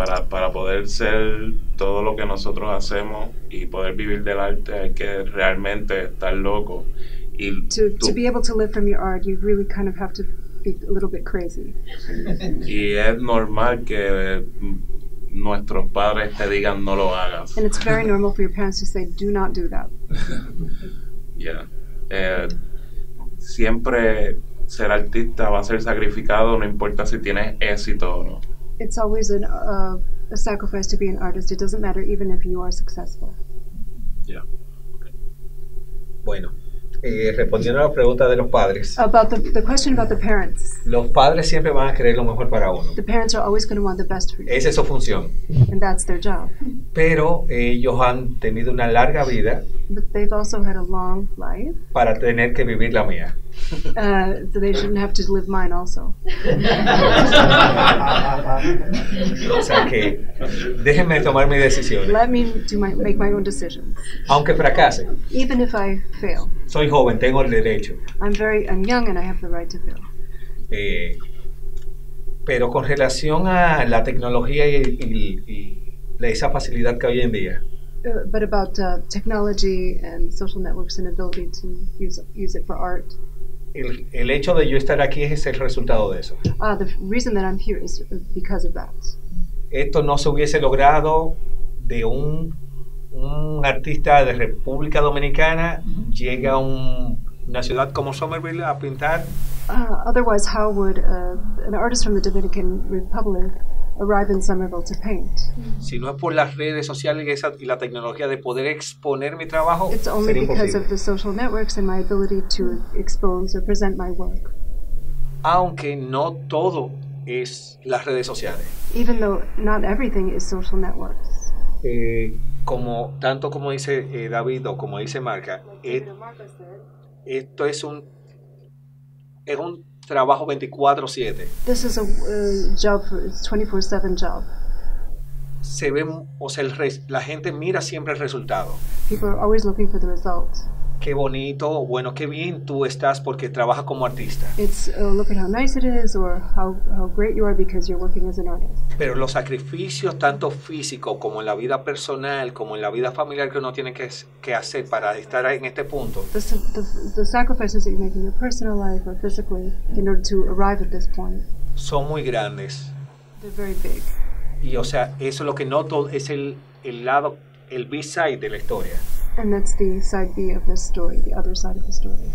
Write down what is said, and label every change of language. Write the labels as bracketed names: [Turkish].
[Spanish] Para poder ser todo lo que nosotros hacemos y poder vivir del arte hay que realmente estar loco. [English] To be able to live from your art, you really kind of have to be a little bit crazy. [Spanish] Y es normal que nuestros padres te digan no lo hagas. [English] And it's very normal for your parents to say, do not do that. Yeah. [Spanish] Siempre ser artista va a ser sacrificado, no importa si tienes éxito o no. [English] It's always a sacrifice to be an artist. It doesn't matter even if you are successful. Yeah. [Spanish] Okay. Bueno. Respondiendo a la pregunta de los padres. [English] About the question about the parents. [Spanish] Los padres siempre van a querer lo mejor para uno. [English] The parents are always going to want the best for you. [Spanish] Esa es su función. [English] And that's their job. [Spanish] Pero ellos han tenido una larga vida. [English] But they've also had a long life. [Spanish] Para tener que vivir la mía. [English] So they shouldn't have to live mine also. [Spanish] O sea que déjenme tomar mi decisión. [English] Let me make my own decisions. [Spanish] Aunque fracase. [English] Even if I fail. [Spanish] Soy joven, tengo el derecho. [English] I'm young and I have the right to fail. [Spanish] Pero con relación a la tecnología y esa facilidad que hoy en día. [English] But about technology and social networks and ability to use it for art. [Spanish] El hecho de yo estar aquí es el resultado de eso. [English] The reason that I'm here is because of that. [Spanish] Esto no se hubiese logrado de un artista de República Dominicana llega a una ciudad como Somerville a pintar. [English] Otherwise, how would an artist from the Dominican Republic arrive in Somerville to paint? [Spanish] Si no es por las redes sociales y la tecnología de poder exponer mi trabajo, [English] it's only because of the social networks and my ability to expose or present my work. [Spanish] Aunque no todo es las redes sociales. [English] Even though not everything is social networks. [Spanish] Como tanto como dice David o como dice Marca, esto es un trabajo 24/7. [English] This is a job, it's 24/7 job. [Spanish] Se ve, o sea, la gente mira siempre el resultado. [English] People are always looking for the results. [Spanish] Qué bonito, bueno, qué bien tú estás porque trabajas como artista. [English] It's look at how nice it is or how great you are because you're working as an artist. [Spanish] Pero los sacrificios, tanto físicos como en la vida personal, como en la vida familiar, que uno tiene que hacer para estar en este punto. [English] The sacrifices that you make in your personal life or physically in order to arrive at this point. [Spanish] Son muy grandes. [English] They're very big. [Spanish] Y o sea, eso es lo que noto, es el lado, el B-side de la historia. [English] And that's the side B of the story, the other side of the story.